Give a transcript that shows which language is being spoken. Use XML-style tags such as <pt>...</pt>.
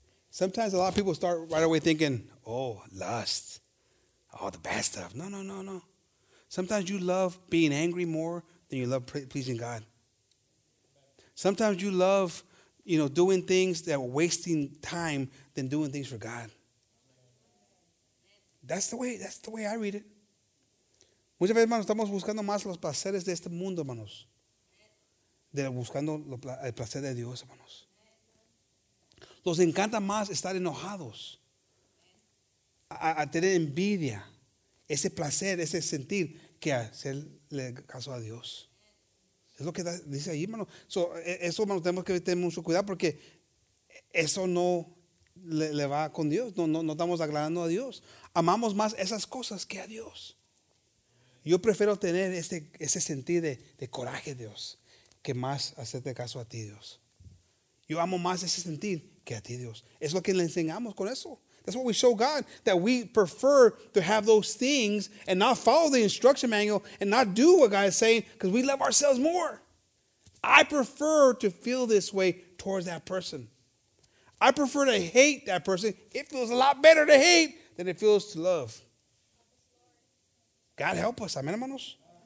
<en>Sometimes a lot of people start right away thinking, oh, lust. All the bad stuff. No, no, no, no. Sometimes you love being angry more than you love pleasing God. Sometimes you love, you know, doing things that are wasting time than doing things for God. That's the way I read it.</en> <es>Muchas veces, hermanos, estamos buscando más los placeres de este mundo, hermanos, de buscando el placer de Dios, hermanos. Nos encanta más estar enojados, a tener envidia, ese placer, ese sentir, que hacerle caso a Dios. Es lo que dice ahí, hermano. So, eso, hermano, tenemos que tener mucho cuidado porque eso no le va con Dios. No estamos agradando a Dios. Amamos más esas cosas que a Dios. Yo prefiero tener ese sentir de coraje, Dios, que más hacerte caso a ti, Dios. Yo amo más ese sentir que a ti, Dios. Es lo que le enseñamos con eso.</es> <en>That's what we show God, that we prefer to have those things and not follow the instruction manual and not do what God is saying because we love ourselves more. I prefer to feel this way towards that person. I prefer to hate that person. It feels a lot better to hate than it feels to love. God help us. Amen, hermanos.</en>